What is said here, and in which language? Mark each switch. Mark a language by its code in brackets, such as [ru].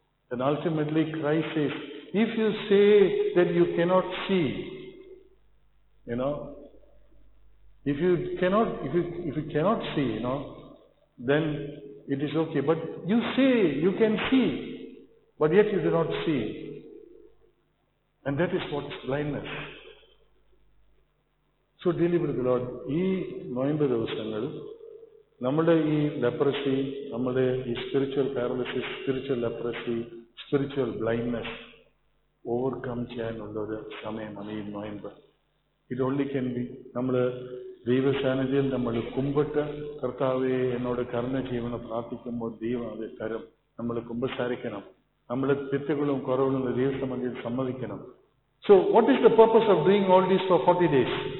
[en] And ultimately Christ says, if you say that you cannot see, you know, if you cannot see, you know, then it is okay. But you say you can see, but yet you do not see. And that is what is blindness. So dearly beloved, Lord, [ml] ഈ നോയമ്പ് ദിവസങ്ങൾ നമ്മുടെ ഈ leprosy, നമ്മുടെ ഈ spiritual paralysis, spiritual leprosy, spiritual blindness overcome ചെയ്യാനുള്ള ഒരു സമയമാണ് ഈ നോയമ്പ്. ഇത് [en] only can be [ml] നമ്മൾ ദൈവസാന്നിധ്യം നമ്മൾ കുമ്പിട്ട് കർത്താവെ എന്നോട് കരുണ ചെയ്യുമെന്ന് പ്രാർത്ഥിക്കുമ്പോൾ ദൈവം അത് തരും. നമ്മൾ കുമ്പസാരിക്കണം. നമ്മുടെ തെറ്റുകളും കുറവുകളും ദൈവസമ്മതിയിൽ സമ്മതിക്കണം. [en] So what is the purpose of doing all this for 40 days?